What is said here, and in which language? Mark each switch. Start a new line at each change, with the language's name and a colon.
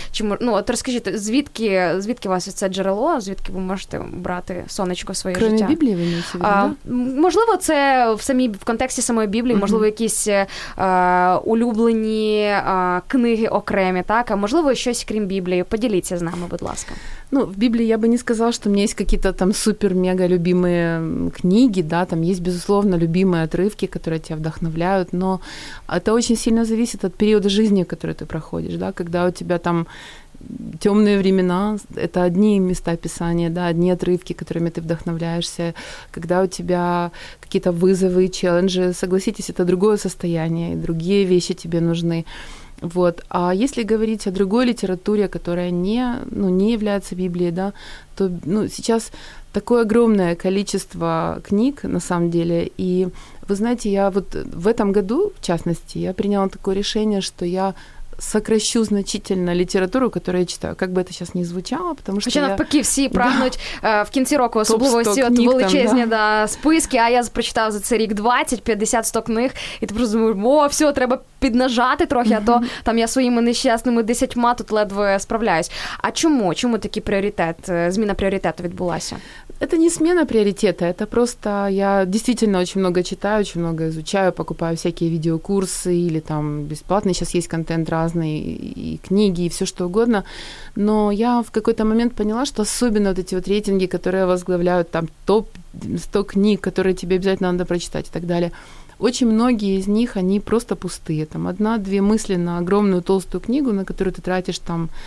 Ukrainian: Чи, ну, от розкажіть, звідки у вас це джерело, звідки ви можете брати сонечко в своє
Russian: Кроме
Ukrainian: життя? Кроме Біблії, ви не цікаві, да? Можливо, це в самій, в контексті самої Біблії, можливо, якісь улюблені книги окремі, так? А можливо, щось крім Біблії. Поділіться з нами, будь ласка. Ну, в Біблії я би не сказала, що в мене є якісь там супер-мега-любимі книги, да, там є, безусловно, любимі отривки, які тебе вдохновляють,
Russian: но это очень сильно зависит от периода жизни, который ты проходишь, да, когда у тебя там темные времена, это одни места писания, да, одни отрывки, которыми ты вдохновляешься, когда у тебя какие-то вызовы, челленджи, согласитесь, это другое состояние, другие вещи тебе нужны, вот. А если говорить о другой литературе, которая не, ну, не является Библией, да, то, ну, сейчас такое огромное количество книг, на самом деле. И вы знаете, я вот в этом году, в частности, я приняла такое решение, что я сокращу значительно литературу, которую я читаю. Как бы это сейчас ни звучало, потому что
Ukrainian: хоча навпаки, всі прагнуть в кінці року особливо ось ці от величезні там, списки, а я прочитала за цей рік 20-50-100 книг, і ти просто думаєш, о, все, треба піднажати трохи, а то там я своїми нещасними 10-ма тут ледве справляюсь. А чому? Чому такий пріоритет, зміна пріоритету відбулася?
Russian: Это не смена приоритета, это просто я действительно очень много читаю, очень много изучаю, покупаю всякие видеокурсы или там бесплатный, сейчас есть контент разный, и книги, и все что угодно, но я в какой-то момент поняла, что особенно вот эти вот рейтинги, которые возглавляют там топ 100 книг, которые тебе обязательно надо прочитать и так далее, очень многие из них, они просто пустые, там одна-две мысли на огромную толстую книгу, на которую ты тратишь там